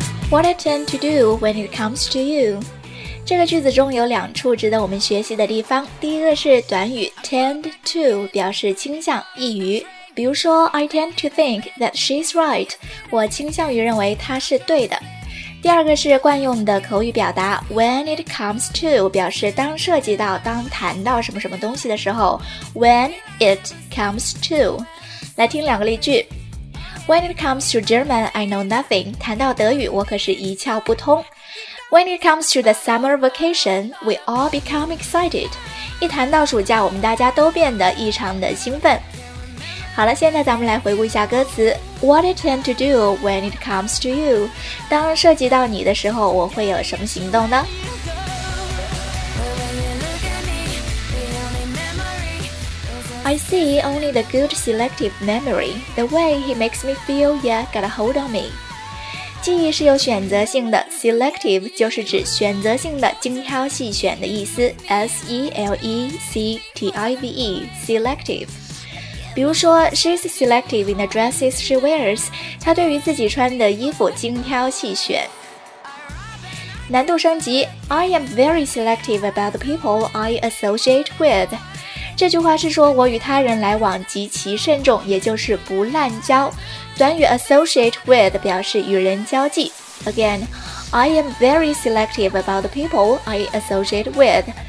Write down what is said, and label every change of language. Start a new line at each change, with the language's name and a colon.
English: What I tend to do when it comes to you?
Chinese: 这个句子中有两处值得我们学习的地方，第一个是短语 tend to 表示倾向易于。
English: 比如说 I tend to think that she's right,
Chinese: 我倾向于认为她是对的。第二个是惯用的口语表达 when it comes to 表示当涉及到当谈到什么什么东西的时候 when it comes to。来听两个例句。
English: When it comes to German, I know nothing,
Chinese: 谈到德语我可是一窍不通。
English: When it comes to the summer vacation, we all become excited,
Chinese: 一谈到暑假我们大家都变得异常的兴奋。好了，现在咱们来回顾一下歌词。
English: What I tend to do when it comes to you?
Chinese: 当涉及到你的时候，我会有什么行动呢？
English: I see only the good selective memory. The way he makes me feel yet got a hold on me.
Chinese: 记忆是有选择性的 ,selective 就是指选择性的精挑细选的意思 ,selective, selective. 比如说
English: She's selective in the dresses she wears.
Chinese: 她对于自己穿的衣服精挑细选。难度升级
English: I am very selective about the people I associate with.
Chinese: 这句话是说我与他人来往极其慎重，也就是不滥交。短语 associate with 表示与人交际。
English: Again, I am very selective about the people I associate with.